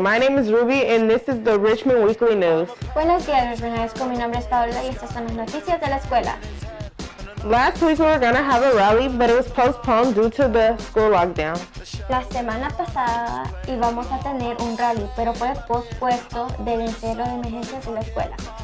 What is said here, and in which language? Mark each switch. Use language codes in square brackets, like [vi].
[en] My name is Ruby, and this is the Richmond Weekly News. [es] Buenos días, Richmond High School. Mi nombre es Paola, y estas son las noticias de la escuela. [en] Last week, we were going to have a rally, but it was postponed due to the school lockdown. [es] La semana pasada, íbamos a tener un rally, pero fue pospuesto del encierro de emergencia de la escuela.